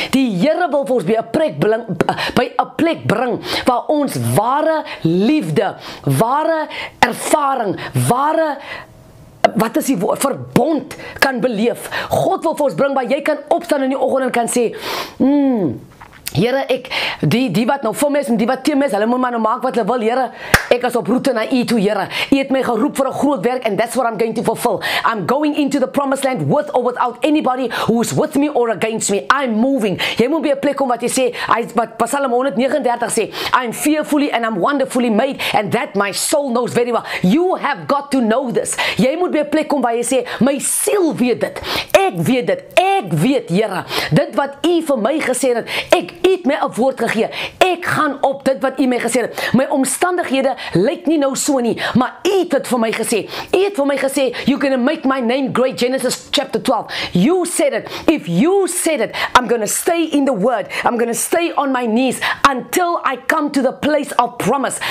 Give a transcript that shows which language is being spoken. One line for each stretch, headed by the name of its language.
Afrikaans: Die Here wil vir ons by 'n plek bring waar ons ware liefde, ware ervaring, ware wat is die woord, verbond kan beleef. God wil vir ons bring waar jy kan opstaan in die oggend en kan sê, Here, ek, die wat nou vir my is en die wat teen my is, hulle moet maar nou maak wat hulle wil, Here. Ek is op roete na U toe, Here. U het my geroep vir 'n groot werk
English: and that's what I'm going to fulfill. I'm going into the promised land with or without anybody who is with me or against me. I'm moving.
Afrikaans: Jy moet by 'n plek kom wat jy sê, wat Psalm 139 sê,
English: I'm fearfully and I'm wonderfully made and that my soul knows very well. You have got to know this.
Afrikaans: Jy moet by 'n plek kom waar jy sê, my siel weet dit. Ek weet dit. Ek weet, Here, dit wat U vir my gesê het, ek het my 'n woord gegee. Ek gaan op dit wat U my gesê het. My omstandighede lyk nie nou so nie, maar U het dit vir my gesê. U het vir my gesê,
English: you're going to make my name great, Genesis chapter 12. You said it. If you said it, I'm going to stay in the word. I'm going to stay on my knees until I come to the place of promise.